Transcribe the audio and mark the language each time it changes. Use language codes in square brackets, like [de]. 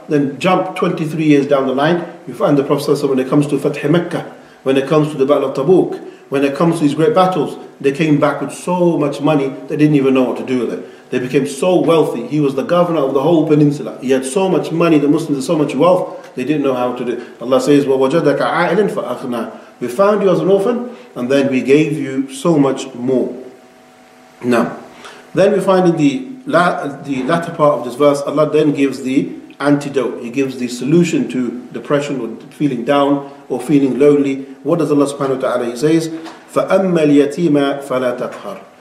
[en] Then jump 23 years down the line, we find the Prophet ﷺ, when it comes to Fath Makkah, when it comes to the Battle of Tabuk, when it comes to these great battles, they came back with so much money, they didn't even know what to do with it. They became so wealthy. He was the governor of the whole peninsula. He had so much money, the Muslims had so much wealth, they didn't know how to do it. Allah says, [ar] وَوَجَدَكَ عَائِلًا فَأَغْنَى. [en] We found you as an orphan, and then we gave you so much more. Now, then we find in the latter part of this verse, Allah then gives the antidote. He gives the solution to depression or feeling down or feeling lonely. What does Allah subhanahu wa ta'ala, he says, [ar] فَأَمَّا الْيَتِيمَ فَلَا تَقْهَرْ.